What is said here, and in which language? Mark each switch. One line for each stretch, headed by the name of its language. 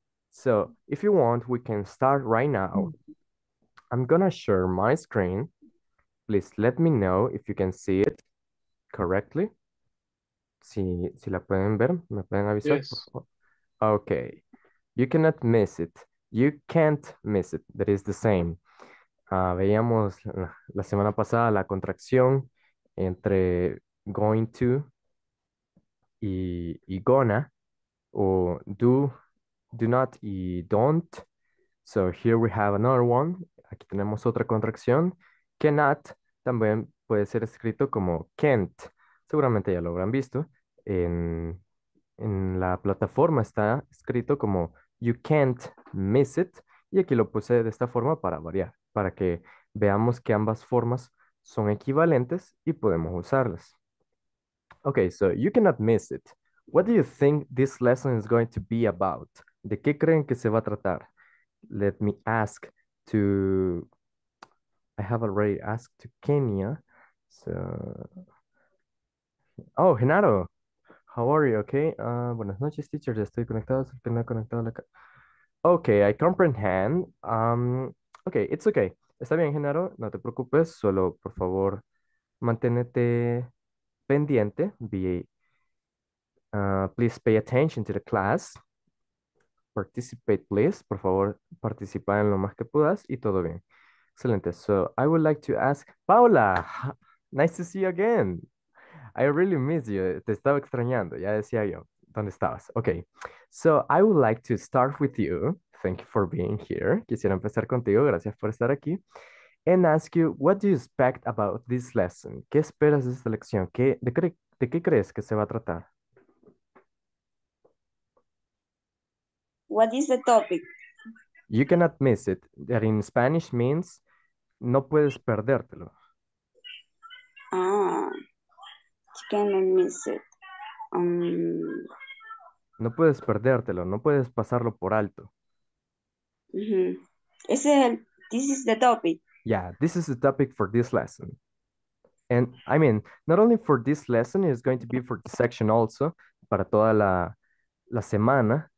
English: So, if you want, we can start right now. I'm gonna share my screen. Please let me know if you can see it correctly.
Spanish: Si la pueden ver, me pueden avisar, por
English: Yes. favor. Okay. You cannot miss it. You can't miss it. That is the same.
Spanish: Veíamos la semana pasada la contracción entre going to y gonna, o do not y don't.
English: So here we have another one.
Spanish: Aquí tenemos otra contracción. Cannot también puede ser escrito como can't. Seguramente ya lo habrán visto. En la plataforma está escrito como
English: you can't miss it.
Spanish: Y aquí lo puse de esta forma para variar, para que veamos que ambas formas son equivalentes y podemos usarlas.
English: Okay, so you cannot miss it. What do you think this lesson is going to be about?
Spanish: ¿De qué creen que se va a tratar?
English: Let me ask to. I have already asked to Kenya. So. Oh, Genaro. How are you? Okay.
Spanish: Buenas noches, teacher. Ya estoy conectado. Estoy conectado a la.
English: Okay, I comprehend. Okay, it's okay.
Spanish: Está bien, Genaro. No te preocupes. Solo, por favor, manténete pendiente,
English: please pay attention to the class. Participate, please.
Spanish: Por favor, participa en lo más que puedas y todo bien. Excelente.
English: So, I would like to ask, Paula, nice to see you again. I really miss you.
Spanish: Te estaba extrañando, ya decía yo. ¿Dónde estabas? Ok.
English: So, I would like to start with you. Thank you for being here.
Spanish: Quisiera empezar contigo. Gracias por estar aquí.
English: And ask you, what do you expect about this lesson?
Spanish: ¿Qué esperas de esta lección? ¿De qué crees que se va a tratar?
English: What is the topic? You cannot miss it. That in Spanish means
Spanish: no puedes perdértelo.
English: Ah, can I miss it?
Spanish: No puedes perdértelo, no puedes pasarlo por alto.
English: This is the topic. Yeah, this is the topic for this lesson. And I mean, not only for this lesson, it's going to be for the section also,
Spanish: para toda la semana.